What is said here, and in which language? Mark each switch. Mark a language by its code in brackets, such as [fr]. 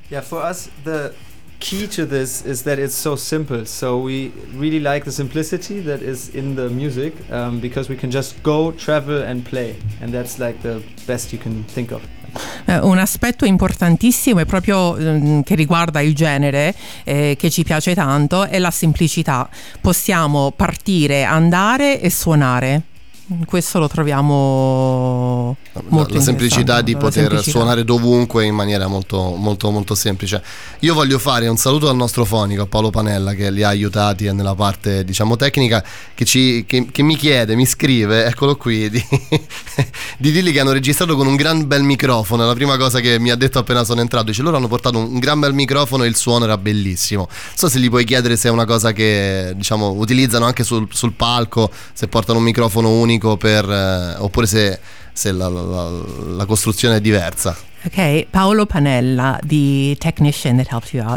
[en] Yeah, for us the key to this is that it's so simple, so we really like the simplicity that is in the music, because we can just go travel and play, and that's like the best you can think of. [it] Un aspetto importantissimo è proprio che riguarda il genere che ci piace tanto, è la semplicità. Possiamo partire, andare e suonare. questo lo troviamo molto la semplicità di poter suonare dovunque in maniera molto molto molto semplice. Io voglio fare un saluto al nostro fonico Paolo Panella, che li ha aiutati nella parte, diciamo, tecnica, che mi chiede, mi scrive, eccolo qui, di dirgli che hanno registrato con un gran bel microfono. La prima cosa che mi ha detto appena sono entrato, dice, loro hanno portato un gran bel microfono e il suono era bellissimo. Non so se gli puoi chiedere se è una cosa che, diciamo, utilizzano anche sul palco, se portano un microfono unico per oppure se la costruzione è diversa. [en] Ok, Paolo Panella, the technician that helps you out.